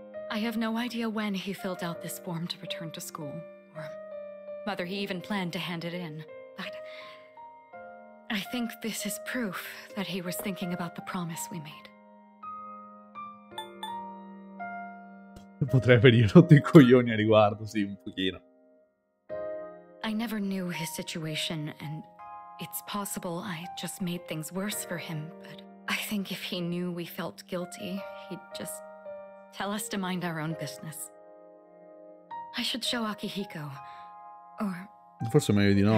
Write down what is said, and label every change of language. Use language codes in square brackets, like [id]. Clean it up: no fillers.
[en] I have no idea when he filled out this form to return to school, or whether he even planned to hand it in, but... I think this is proof that he was thinking about the promise we made. [it] Potrei venire sotto i coglioni a riguardo, sì, un pochino. [en] I never knew his situation, and... it's possible I just made things worse for him, but I think if he knew we felt guilty, he'd just tell us to mind our own business. I should show Akihiko, or... [it] forse meglio di no.